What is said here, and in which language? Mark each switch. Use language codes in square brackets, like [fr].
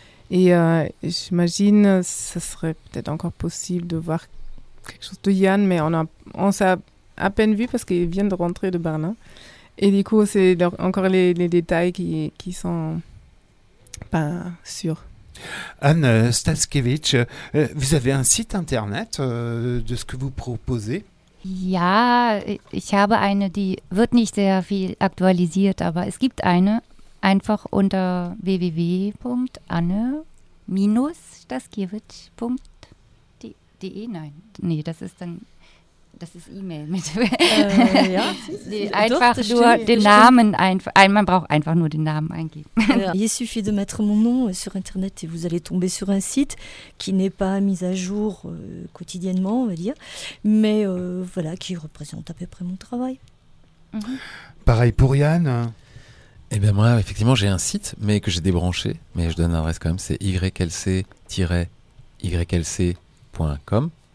[fr] Et j'imagine que ce serait peut-être encore possible de voir quelque chose de Yann, mais on s'est à peine vu parce qu'ils viennent de rentrer de Berlin. Et du coup, c'est encore les détails qui sont pas sûrs. Anne Staskevich, vous avez un site internet de ce que vous proposez? [de] Ja, ich habe eine, die wird nicht sehr viel aktualisiert, aber es gibt eine, einfach unter www.anne-staskevich.de. Nein, das ist dann, das ist E-Mail. Mit ja, nee, einfach doch, nur stehe, den Namen, man braucht einfach nur den Namen eingeben. Ja. [fr] Il suffit de mettre mon nom sur Internet et vous allez tomber sur un site qui n'est pas mis à jour quotidiennement, on va dire, mais voilà, qui représente à peu près mon travail. Mm-hmm. Pareil pour Yann. Eh bien moi, effectivement, j'ai un site, mais que j'ai débranché, mais je donne l'adresse quand même, c'est ylc-ylc.com.